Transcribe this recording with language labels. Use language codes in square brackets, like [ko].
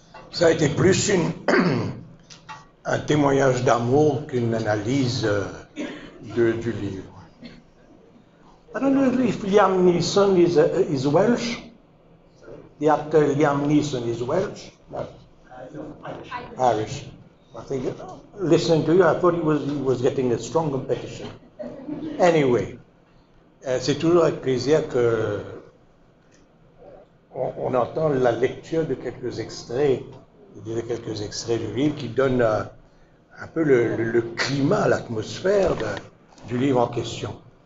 [fr] Ça a été plus un témoignage d'amour qu'une analyse du livre. [en] I don't know if Liam Neeson is Welsh. The actor Liam Neeson is Welsh. No, Irish. I think, listening to you, I thought he was getting a strong competition. Anyway, [fr] c'est toujours avec plaisir que on entend la lecture de quelques extraits. Il y a quelques extraits du livre qui donnent un peu le climat, l'atmosphère du livre en question.